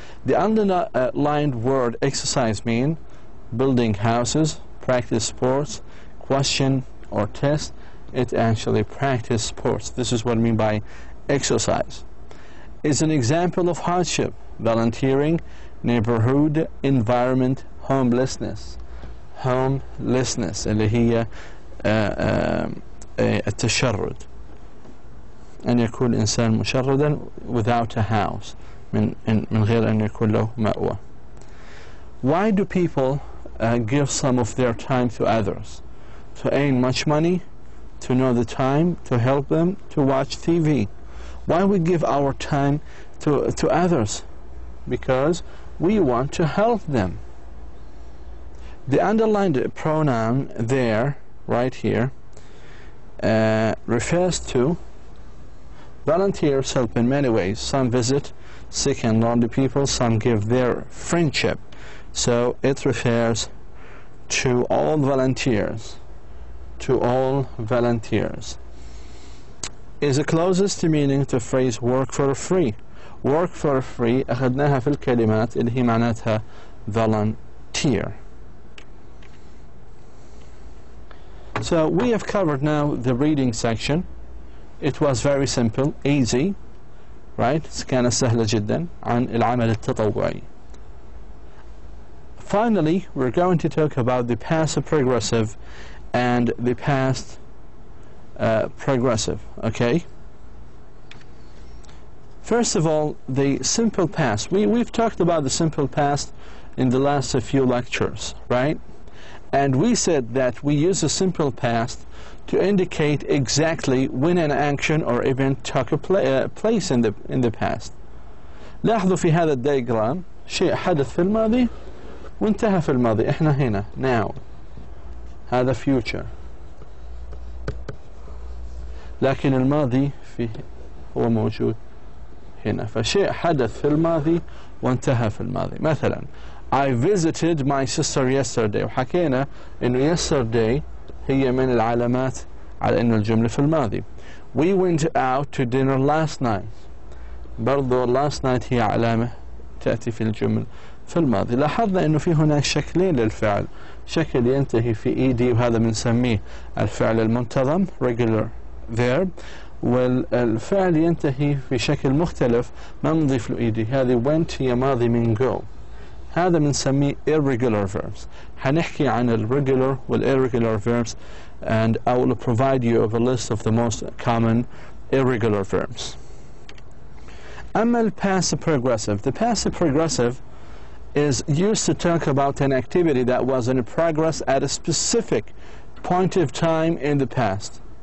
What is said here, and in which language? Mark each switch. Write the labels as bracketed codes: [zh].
[en] The underlined word exercise mean building houses, practice sports, question or test. It actually practice sports. This is what I mean by exercise. It's an example of hardship, volunteering, neighborhood, environment, homelessness. [ar] Homelessness, اللي هي التشرد. أن يكون إنسان مشردا [en] without a house, [ar] من غير أن يكون له مأوى. [en] Why do people give some of their time to others? To earn much money, to know the time, to help them, to watch TV. Why we give our time to others? Because we want to help them. The underlined pronoun there, right here, refers to volunteers help in many ways. Some visit sick and lonely people, some give their friendship. So it refers to all volunteers. To all volunteers. Is the closest meaning to phrase work for free. Work for free, [ar] أخذناها في الكلمات اللي هي معناتها volunteer. [en] So we have covered now the reading section. It was very simple, easy, right? [ar] كان سهل جدا عن العمل التطوعي. [en] Finally, we're going to talk about the passive progressive and the past progressive, okay? First of all, the simple past. We've talked about the simple past in the last few lectures, right? And we said that we use a simple past to indicate exactly when an action or event took a place in the past. [ar] لاحظوا في هذا الديجرام شيء حدث في الماضي وانتهى في الماضي. احنا هنا [en] now. [ar] هذا future. لكن الماضي فيه هو موجود هنا. فشيء حدث في الماضي وانتهى في الماضي. مثلا [en] I visited my sister yesterday. [ar] وحكينا انه yesterday هي من العلامات على انه الجملة في الماضي. [en] We went out to dinner last night. [ar] برضو last night هي علامة تأتي في الجملة في الماضي. لاحظنا انه في هناك شكلين للفعل. شكل ينتهي في ed وهذا بنسميه الفعل المنتظم regular verb. والفعل ينتهي في شكل مختلف ما نضيف له ed. هذه went هي ماضي من go. هذا بنسميه [en] irregular verbs. [ar] حنحكي عن [en] الregular والirregular verbs and I will provide you a list of the most common irregular verbs. [ar] أما [en] passive progressive. The passive progressive is used to talk about an activity that was in progress at a specific point of time in the past.